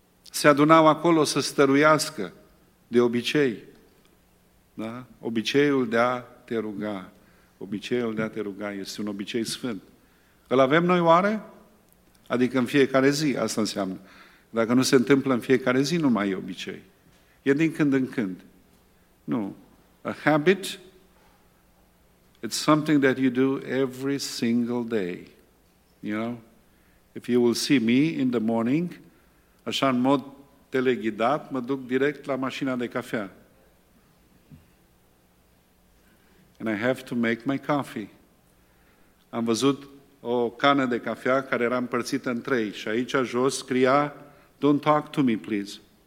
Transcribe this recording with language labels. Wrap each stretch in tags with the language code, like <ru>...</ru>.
<ro>Se adunau acolo să stăruiască de obicei. Da? Obiceiul de a te ruga. Obiceiul de a te ruga este un obicei sfânt. Îl avem noi oare? Adică în fiecare zi, asta înseamnă. Dacă nu se întâmplă în fiecare zi, nu mai e obicei. E din când în când. Nu.</ro> <en>A habit, it's something that you do every single day. You know? If you will see me in the morning,</en> <ro>așa în mod teleghidat, mă duc direct la mașina de cafea.</ro> <en>And I have to make my coffee.</en> <ro>Am văzut o cană de cafea care era împărțită în trei și aici jos scria,</ro> <en>"Don't talk to me, please."</en>